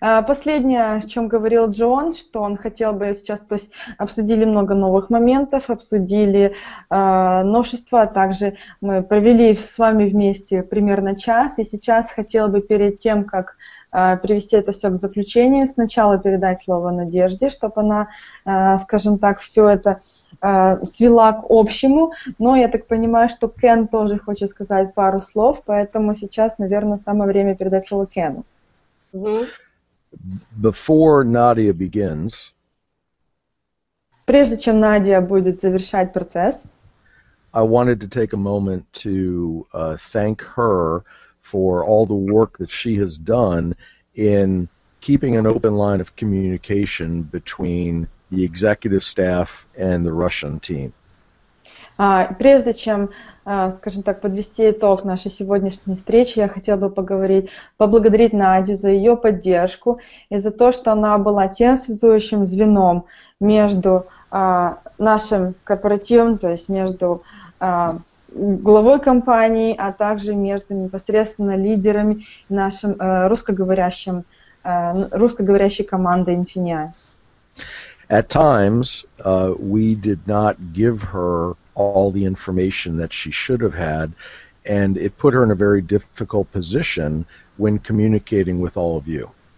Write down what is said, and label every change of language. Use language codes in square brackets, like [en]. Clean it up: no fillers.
[ru] Последнее, о чем говорил Джон, что он хотел бы сейчас, то есть обсудили много новых моментов, обсудили новшества, а также мы провели с вами вместе примерно час, и сейчас хотел бы перед тем, как привести это все к заключению, сначала передать слово Надежде, чтобы она, скажем так, все это свела к общему. Но я так понимаю, что Кен тоже хочет сказать пару слов, поэтому сейчас, наверное, самое время передать слово Кену. [en] Before Nadia begins, [ru] прежде чем Надя будет завершать процесс, [en] I wanted to take a moment to thank her for all the work that she has done in keeping an open line of communication between the executive staff and the Russian team. [ru] Прежде чем, скажем так, подвести итог нашей сегодняшней встречи, я хотела бы поблагодарить Надю за ее поддержку и за то, что она была тем связующим звеном между нашим корпоративом, то есть между главой компании, а также между непосредственно лидерами нашим русскоговорящей командой Infinii. [en] At times, we did not give her all the information that she should have had, and it put her in a very difficult position when communicating with all of you.